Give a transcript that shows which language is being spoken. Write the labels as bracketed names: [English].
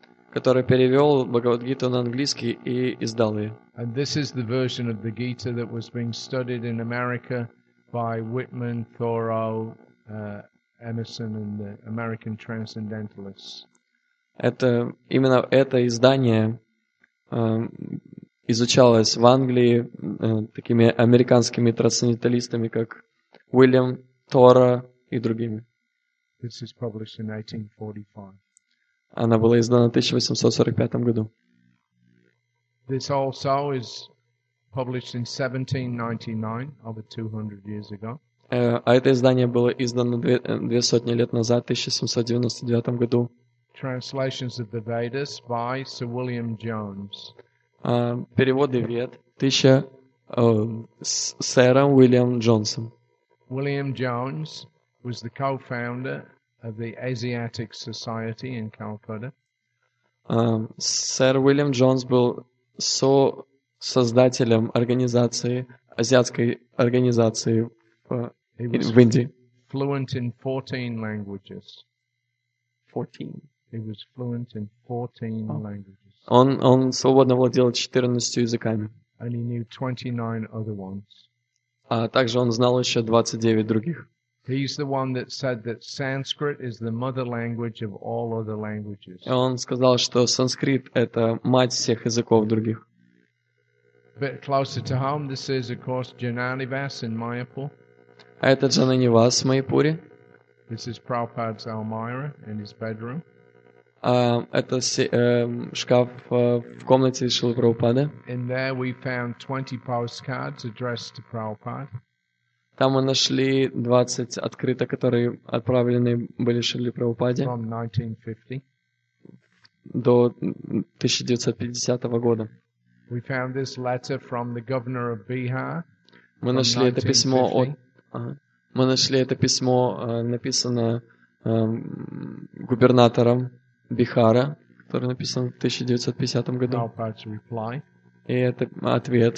[Russian] который перевел Бхагавад-гиту на английский и издал ее. [English] And this is the version of the Gita that was being studied in America by Whitman, Thoreau, Emerson and the American Transcendentalists. [Russian] Это именно это издание изучалось в Англии такими американскими трансценденталистами, как Уильям Тора и другими. [English] This is published in 1845. [Russian] Она была издана в 1845 году. [English] This also is published in 1799, over 200 years ago. [Russian] А это издание было издано 200 лет назад, в 1799 году. [English] Translations of the Vedas by Sir William Jones. [Russian] Переводы Вед тысяча сэром Уильям Джонсом. [English] William Jones was the co-founder of the Asiatic Society in Calcutta. [Russian] Сэр Уильям Джонс был со-создателем организации, азиатской организации в Индии. [English] Fluent in 14 languages. 14. He was fluent in 14 languages. [Russian] Он свободно владел 14 языками. [English] And he knew 29 other ones. [Russian] А также он знал еще 29 других. [English] He's the one that said that Sanskrit is the mother language of all other languages. [Russian] Он сказал, что санскрит это мать всех языков других. [English] A bit closer to home, this is, of course, Jnanivas in Mayapur. [Russian] А это Джананивас в Майпуре. [English] This is Prabhupada's Almira in his bedroom. [Russian] Это шкаф в комнате Шрилы Прабхупады. [English] And there we found 20 postcards addressed to Prabhupada. [Russian] Там мы нашли 20 открыток, которые отправлены были Шрилы Прабхупаде. [English] From 1950. [Russian] До 1950 года. [English] We found this letter from the governor of Bihar. [Russian] Мы нашли это письмо от. Мы нашли это письмо, написанное губернатором Бихара, которое написано в 1950 году. И это ответ